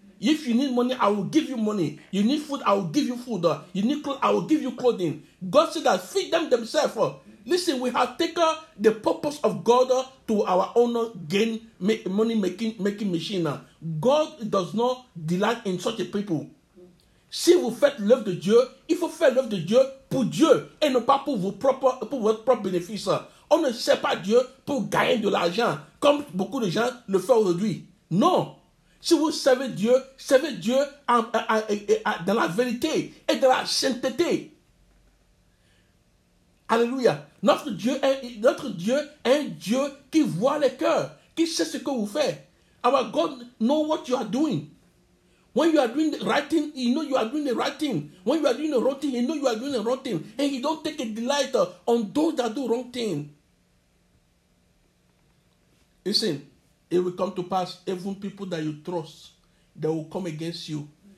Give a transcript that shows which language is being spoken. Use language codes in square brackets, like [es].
[en] If you need money, I will give you money. You need food, I will give you food. You need clothes, I will give you clothing. God said that feed them themselves. Listen, we have taken the purpose of God to our own gain, money-making machine. God does not delight in such a people. [fr] Si vous faites l'œuvre de Dieu, il faut faire l'œuvre de Dieu pour Dieu et non pas pour votre propre bénéfice. On ne sert pas Dieu pour gagner de l'argent, comme beaucoup de gens le font aujourd'hui. Non. Si vous servez Dieu dans la vérité et dans la sainteté. Alléluia. Notre Dieu est un Dieu qui voit les cœurs, qui sait ce que vous faites. [en] Our God knows what you are doing. When you are doing the right thing, he knows you are doing the right thing. When you are doing the wrong thing, he knows you are doing the wrong thing. And he don't take a delight on those that do wrong thing. Listen. It will come to pass, even people that you trust, they will come against you.